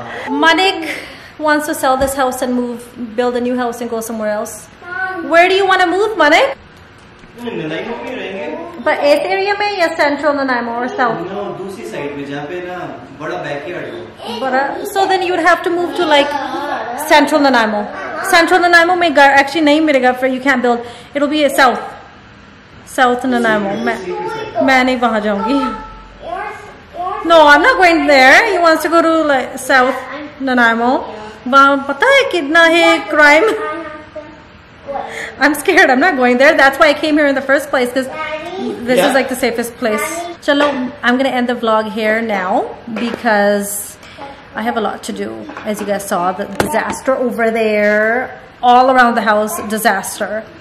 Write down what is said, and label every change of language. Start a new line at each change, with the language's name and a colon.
English: Manik wants to sell this house and move, build a new house and go somewhere else. Mom, where do you want to move, Manik?
Hindi: Nanaimo mein rahenge.
English: But eighth area
Hindi: mein ya
English: central Nanaimo or south?
Hindi: No, dusri side mein jahan pe na bada backyard ho.
English: Bada, so then you'd have to move to like central Nanaimo.
Hindi: Central नानाइमो में घर actually नहीं मिलेगा,
English: for you can't build. It'll be a south. South Nanaimo.
Hindi: मैं नहीं वहाँ जाऊँगी.
English: No, I'm not going there. He wants to go to like south Nanaimo.
Hindi: पता है कितना है crime.
English: I'm scared. I'm not going there. That's why I came here in the first place, because this is like the safest place. Chalo, I'm going to end the vlog here now because I have a lot to do. As you guys saw, the disaster over there, all around the house, disaster.